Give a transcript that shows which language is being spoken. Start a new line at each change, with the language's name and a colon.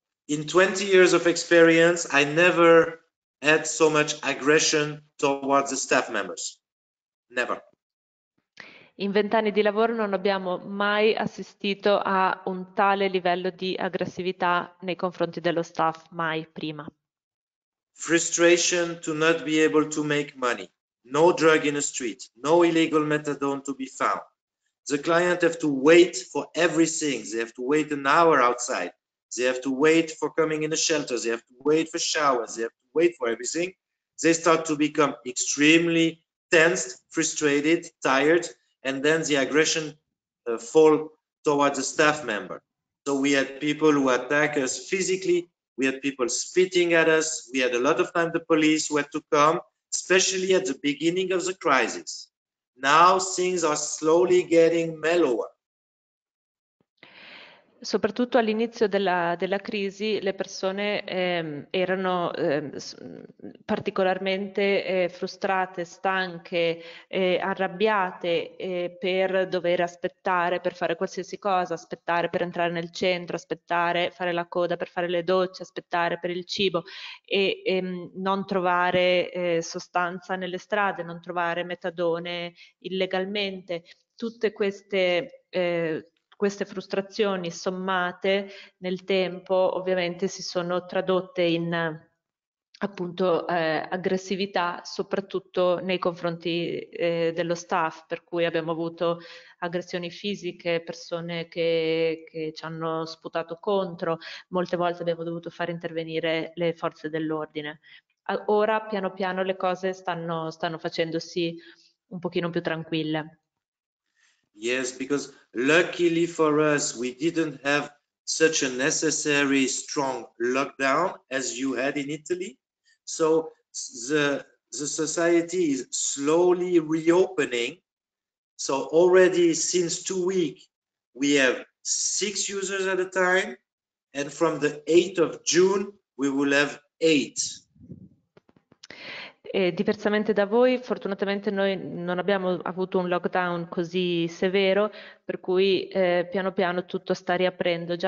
English: In 20 years of experience, I never had so much aggression towards the staff members. Never.
Italian: In 20 anni di lavoro non abbiamo mai assistito a un tale livello di aggressività nei confronti dello staff, mai prima.
English: Frustration to not be able to make money. No drug in the street. No illegal methadone to be found. The client have to wait for everything. They have to wait an hour outside. They have to wait for coming in the shelters. They have to wait for showers. They have to wait for everything. They start to become extremely tensed, frustrated, tired, and then the aggression fall towards the staff member. So we had people who attack us physically. We had people spitting at us. We had a lot of time the police who had to come, especially at the beginning of the crisis. Now things are slowly getting mellower.
Italian: Soprattutto all'inizio della crisi le persone erano particolarmente frustrate, stanche, arrabbiate per dover aspettare, per fare qualsiasi cosa, aspettare per entrare nel centro, aspettare, fare la coda per fare le docce, aspettare per il cibo e non trovare sostanza nelle strade, non trovare metadone illegalmente. Tutte queste frustrazioni sommate nel tempo ovviamente si sono tradotte in appunto aggressività, soprattutto nei confronti dello staff, per cui abbiamo avuto aggressioni fisiche, persone che ci hanno sputato contro, molte volte abbiamo dovuto far intervenire le forze dell'ordine. Ora, piano piano, le cose stanno facendosi un pochino più tranquille.
English: Yes, because luckily for us, we didn't have such a necessary strong lockdown as you had in Italy. So the society is slowly reopening. So already since 2 weeks, we have 6 users at a time. And from the 8th of June, we will have 8.
Italian: Diversamente da voi, fortunatamente noi non abbiamo avuto un lockdown così severo, per cui piano piano tutto sta riaprendo.